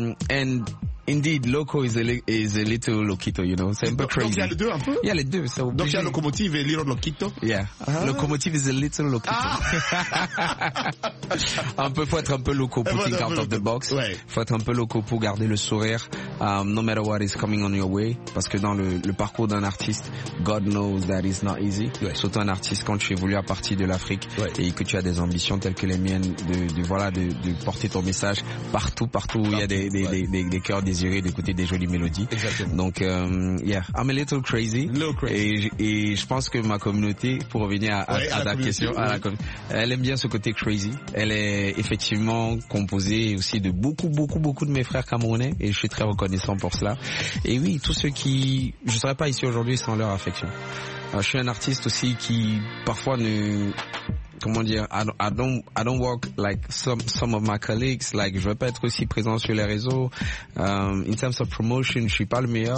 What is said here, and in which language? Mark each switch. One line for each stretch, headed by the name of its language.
English: And indeed, Loco is a little loquito, you know.
French: C'est un peu crazy. Donc, il y a les deux un peu? Il y a les deux. Donc, il y a Locomotive et Little Loquito?
English: Yeah. Uh-huh. Locomotive is a little loquito. Ah.
French: faut être un peu loco pour
English: think out of the box.
French: Ouais. Faut être un peu loco pour garder le sourire.
English: No matter what is coming on your way.
French: Parce que dans le parcours d'un artiste,
English: God knows that is not easy.
French: Ouais. Surtout un artiste quand tu évolues à partir de l'Afrique. Ouais. Et que tu as des ambitions telles que les miennes de porter ton message partout où il y a des cœurs désirés d'écouter des jolies mélodies. Exactement. Donc,
English: yeah, I'm a little crazy. A little crazy.
French: Et je pense que ma communauté, pour revenir à la question, elle aime bien ce côté crazy. Elle est effectivement composée aussi de beaucoup, beaucoup, beaucoup de mes frères camerounais et je suis très reconnaissant pour cela. Et oui, tous ceux qui... Je serais pas ici aujourd'hui sans leur affection. Alors, je suis un artiste aussi qui parfois ne... Comment dire,
English: I don't work like some of my colleagues.
French: Like, je veux pas être aussi présent sur les réseaux.
English: In terms of promotion,
French: je suis pas le meilleur.